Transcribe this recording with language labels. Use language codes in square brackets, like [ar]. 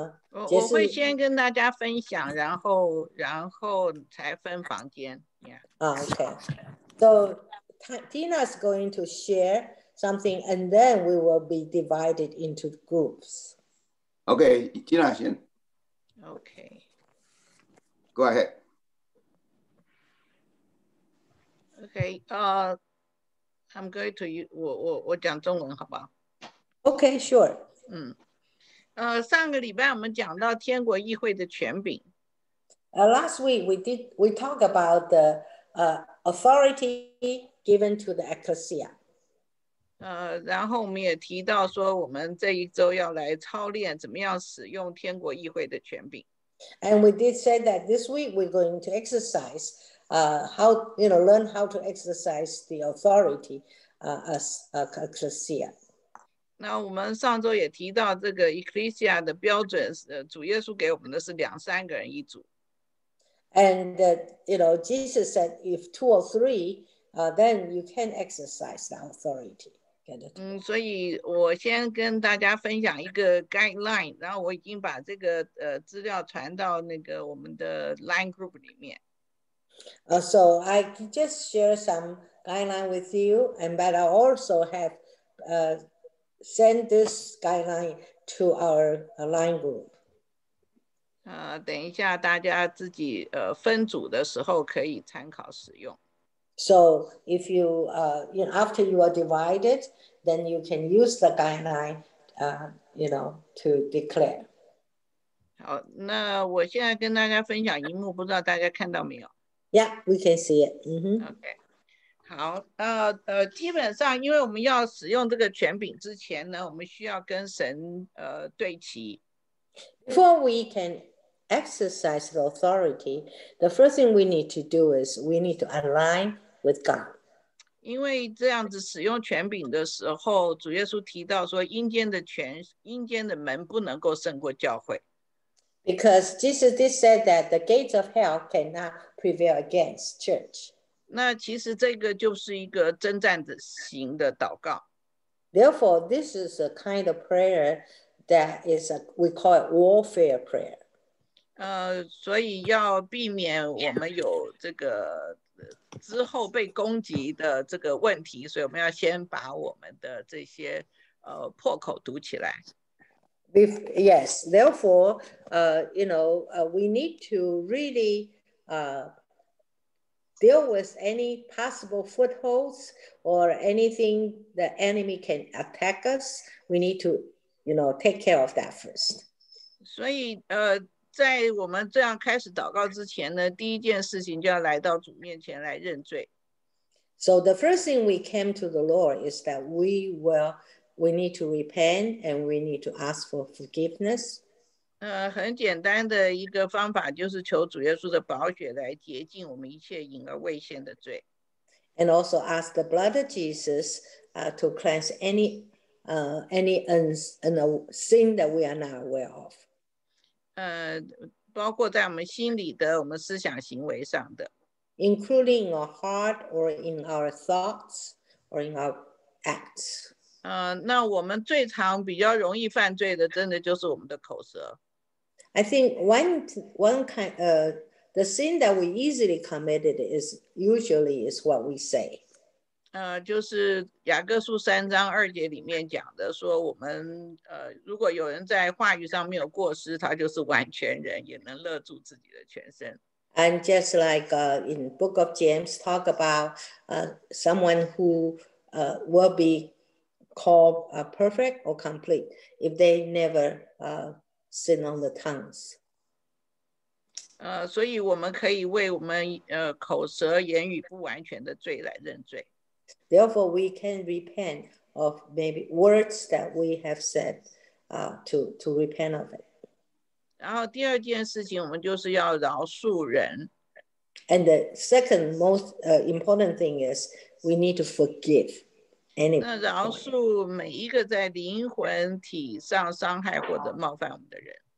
[zh] 我会先跟大家分享，然后才分房间。 [en] Okay. So Tina is going to share something, and then we will be divided into groups. [zh] Okay, Tina 先。 [en] Okay. Go ahead. Okay. I'm going to [zh] 我讲中文，好不好？ [en] Okay, sure. [zh] 上个礼拜我们讲到天国议会的权柄。 [en] Last week we talked about the authority given to the ecclesia. [zh] 然后我们也提到说我们这一周要来操练怎么样使用天国议会的权柄。 [en] And we did say that this week we're going to exercise, learn how to exercise the authority, as ecclesia. [zh] 那我们上周也提到这个 Ecclesia 的标准，主耶稣给我们的是两三个人一组。 [en] And you know, Jesus said if two or three, then you can exercise the authority. [zh] 嗯，所以我先跟大家分享一个 guideline， 然后我已经把这个资料传到那个我们的 line group 里面。 [en] So I just share some guideline with you, and but I also have send this guideline to our line group. [zh] 等一下大家自己分组的时候可以参考使用。 [en] So if you, you know, after you are divided, then you can use the guideline, you know, to declare. [zh] 好，那我现在跟大家分享荧幕，不知道大家看到没有？ [en] Yeah, we can see it. Mm-hmm. Okay. [zh] 好，基本上因为我们要使用这个权柄之前呢，我们需要跟神对齐。 [en] Before we can exercise the authority, the first thing we need to do is we need to align with God. [zh] 因为这样子使用权柄的时候，主耶稣提到说，阴间的门不能够胜过教会。 [en] Because Jesus did say that the gates of hell cannot prevail against church. [zh] 那其实这个就是一个征战型的祷告。 [en] Therefore, this is a kind of prayer that is a, we call it warfare prayer. [zh] 所以要避免我们有这个之后被攻击的这个问题，所以我们要先把我们的这些破口堵起来。 [en] Yes, therefore, you know, we need to really deal with any possible footholds or anything the enemy can attack us. We need to, you know, take care of that first. [zh] 所以，在我们这样开始祷告之前呢，第一件事情就要来到主面前来认罪。 [en] So the first thing we came to the Lord is that we need to repent and we need to ask for forgiveness. [zh] 很简单的一个方法就是求主耶稣的宝血来洁净我们一切隐而未现的罪。 [en] And also ask the blood of Jesus to cleanse any sin that we are not aware of. [zh] 包括在我们心里的，我们思想行为上的。 [en] Including in our heart or in our thoughts or in our acts. [zh] 那我们最常比较容易犯罪的真的就是我们的口舌。 [en] I think the sin that we easily committed is what we say. [zh] 就是雅各书三章二节里面讲的说我们如果有人在话语上没有过失，他就是完全人，也能勒住自己的全身。 [en] And just like in Book of James talk about someone who will becalled perfect or complete if they never sin on the tongues. [zh] 所以我们可以为我们口舌言语不完全的罪来认罪。 [en] Therefore, we can repent of maybe words that we have said to repent of it. [zh] 然后第二件事情，我们就是要饶恕人。 [en] And the second most important thing is we need to forgive. [zh] 那饶恕每一个在灵魂体上伤害或者冒犯我们的人。